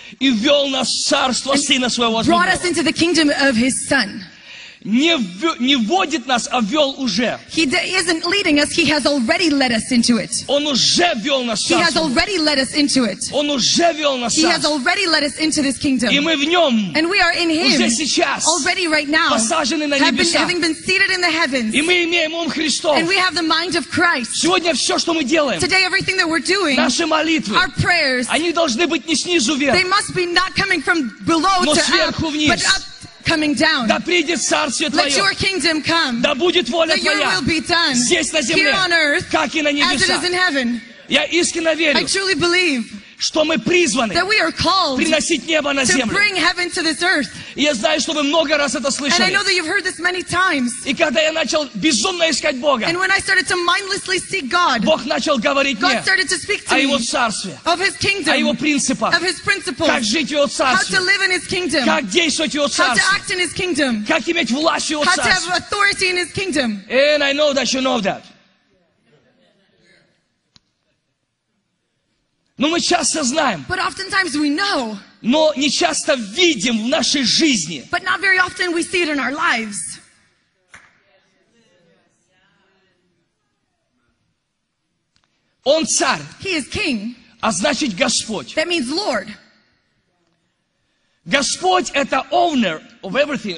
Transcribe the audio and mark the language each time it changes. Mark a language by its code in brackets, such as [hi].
[ru] И ввел нас в царство Сына Своего. [en] Brought us into the kingdom of His Son. [ru] Не вводит нас, а ввел уже. [en] He isn't leading us, he has already led us into it. [ru] Он уже ввел нас в царство. [en] He has already led us into it. [ru] Он уже ввел нас в царство. [en] He has already led us into this kingdom. [ru] И мы в нем. [en] And we are in him. [ru] Уже сейчас. [en] Already right now. [ru] Посажены на небесах. [en] Having been seated in the heavens. [ru] И мы имеем ум Христов. [en] And we have the mind of Christ. [ru] Сегодня все, что мы делаем. [en] Today everything that we're doing. [ru] Наши молитвы. [en] Our prayers. [ru] Они должны быть не снизу вверх. [en] They must be not coming from below [ru] но [en] to [ru] сверху [en] up, [ru] вниз. [en] But up coming down. [ru] Да придет царствие твое. [en] Let your kingdom come. [ru] Да будет воля твоя. [en] Let your will be done. [ru] Здесь на земле. [en] Here on earth. [ru] Как и на небесах. [en] As it is in heaven. [ru] Я искренне верю. [en] I truly believe. [ru] Что мы призваны. [en] That we are called. [ru] Приносить небо на землю. [en] To bring heaven to this earth. [ru] И я знаю, что вы много раз это слышали. [en] And I know that you've heard this many times. [ru] И когда я начал безумно искать Бога. [en] And when I started to mindlessly seek God. [ru] Бог начал говорить [en] God [ru] мне. [en] God started to speak to [ru] о его царстве. [en] Of his kingdom. [ru] О его принципах. [en] Of his principles. [ru] Как жить в его царстве. [en] How to live in his kingdom. [ru] Как действовать в его царстве. [en] How to act in his kingdom. [ru] Как иметь власть в его царстве. [en] How to have authority in his kingdom. And I know that you know that. [ru] Но мы часто знаем. [en] But oftentimes we know. [ru] Но не часто видим в нашей жизни. [en] But not very often we see it in our lives. [ru] Он царь. [en] He is king. [ru] А значит Господь. [en] That means Lord. [ru] Господь это [en] owner of everything.